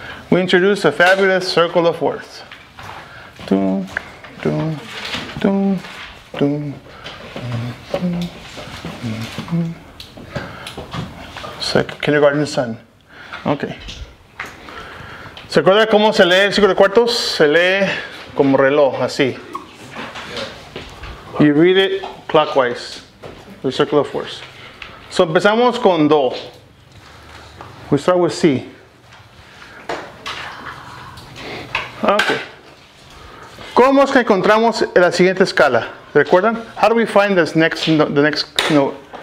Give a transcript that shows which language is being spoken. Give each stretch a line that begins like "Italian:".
English: We introduce a fabulous circle of fourths. Dun, dun, dun, dun, dun, dun, dun. It's like kindergarten sun. Ok.
Spanish: ¿Se acuerda cómo se lee el ciclo de cuartos? Se lee como reloj, así.
English: You read it clockwise, the circle of fourths. So
Spanish: empezamos con do.
English: We start with C. Ok.
Spanish: ¿Cómo es que encontramos en la siguiente escala? ¿Recuerdan?
English: How do we find this next the next note?